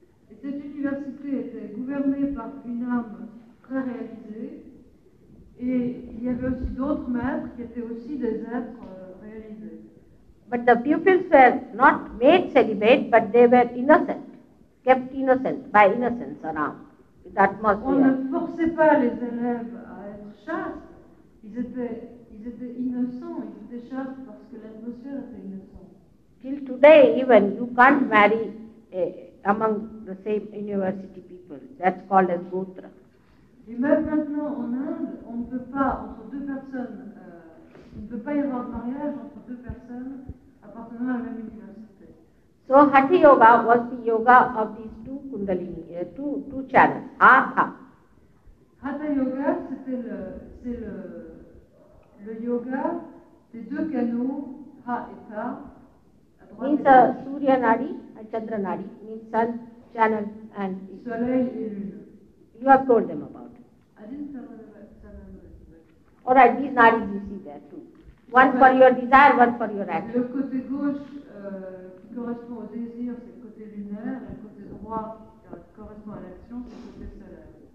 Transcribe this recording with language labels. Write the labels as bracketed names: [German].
[French] Et cette université était gouvernée par une âme très réalisée et il y avait aussi d'autres maîtres qui étaient aussi des êtres réalisés. [English] But the pupils were not made celibate, but they were innocent, kept innocent by innocence around. [French] On ne forçait pas les élèves à être chastes, ils étaient ils étaient innocents, ils étaient chastes parce que l'atmosphère était innocente. [English] Till today, even you can't marry among the same university people. That's called as gotra. [French] Et même maintenant en Inde, on ne peut pas entre deux personnes, on ne peut pas y avoir de mariage entre deux personnes appartenant à la même université. [English] So Hatha Yoga was the yoga of these two kundalini, two channels. Aha. [French] Hatha Yoga, c'est le yoga des deux canaux, ha et ta. [English] Means Surya Nadi and Chandra Nadi, means sun, channel and [French] Soleil. [English] You have told them about it. I didn't tell them about Sun. All right, these nadis you see there too. One for your desire, one for your action. [French] Le côté gauche qui correspond au désir, c'est le côté lunaire, le côté droit qui correspond à l'action, c'est le côté solaire.